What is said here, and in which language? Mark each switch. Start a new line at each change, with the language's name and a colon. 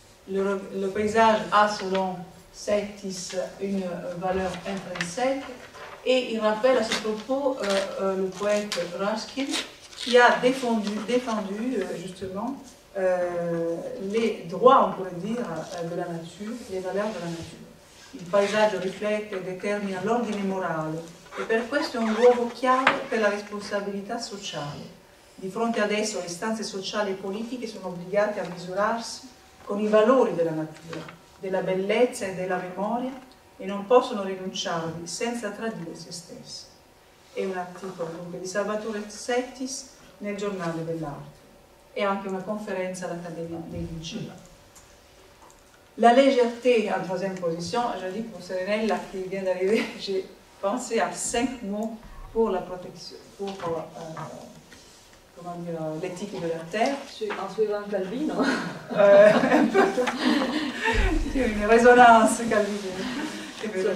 French: Le paysage a selon Settis une valeur intrinsèque, et il rappelle à ce propos le poète Ruskin qui a défendu justement les droits, on pourrait dire, de la nature, les valeurs de la nature.
Italian: Il paesaggio riflette e determina l'ordine morale, e per questo è un luogo chiave per la responsabilità sociale. Di fronte ad esso, le istanze sociali e politiche sono obbligate a misurarsi con i valori della natura, della bellezza e della memoria, e non possono rinunciarvi senza tradire se stessi. È un articolo dunque di Salvatore Settis nel Giornale dell'Arte. È anche una conferenza all'Accademia dei Lincei.
French: La légèreté en troisième position, je dis pour Serenelle, là qui vient d'arriver, j'ai pensé à 5 mots pour la protection, pour comment dire, l'éthique de la terre. En suivant Calvin, non? Un peu. Une résonance, Calvin.